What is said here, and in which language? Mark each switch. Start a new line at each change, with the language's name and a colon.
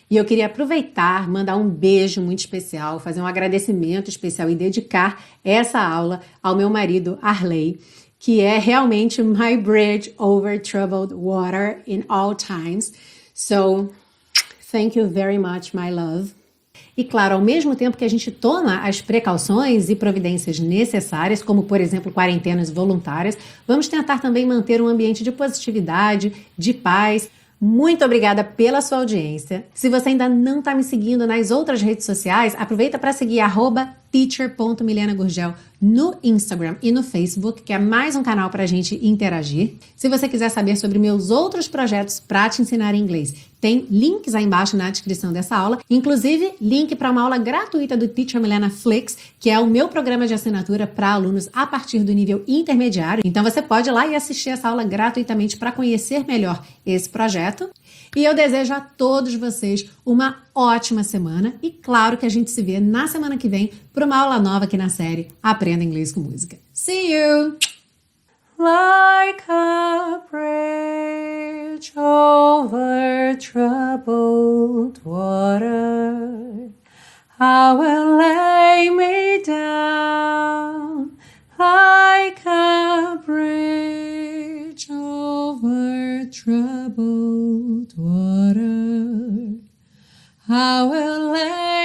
Portuguese: E eu queria aproveitar, mandar um beijo muito especial, fazer um agradecimento especial e dedicar essa aula ao meu marido Arley, que é realmente
English: my bridge over troubled water in all times. So, thank you very much, my love.
Portuguese: E claro, ao mesmo tempo que a gente toma as precauções e providências necessárias, como por exemplo, quarentenas voluntárias, vamos tentar também manter um ambiente de positividade, de paz, Muito obrigada pela sua audiência. Se você ainda não está me seguindo nas outras redes sociais, aproveita para seguir @teacher.milenagurgel no Instagram e no Facebook, que é mais um canal para a gente interagir. Se você quiser saber sobre meus outros projetos para te ensinar inglês, tem links aí embaixo na descrição dessa aula, inclusive link para uma aula gratuita do Teacher Milena Flix, que é o meu programa de assinatura para alunos a partir do nível intermediário. Então você pode ir lá e assistir essa aula gratuitamente para conhecer melhor esse projeto. E eu desejo a todos vocês uma ótima semana e claro que a gente se vê na semana que vem para uma aula nova aqui na série Aprenda Inglês com Música.
English: See you! Like a bridge over troubled water, how will lay me down like a bridge over troubled water, how will lay